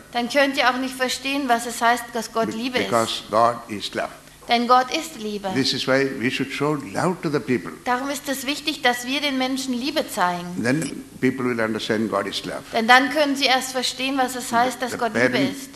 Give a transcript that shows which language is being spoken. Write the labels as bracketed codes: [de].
[de] Dann könnt ihr auch nicht verstehen, was es heißt, dass Gott Liebe ist. [en] Because God is love. [de] Denn Gott ist Liebe. [en] This is why we should show love to the people. [de] Darum ist es wichtig, dass wir den Menschen Liebe zeigen. [en] Then people will understand God is love. [de] Denn dann können sie erst verstehen, was es heißt, dass Gott Liebe ist.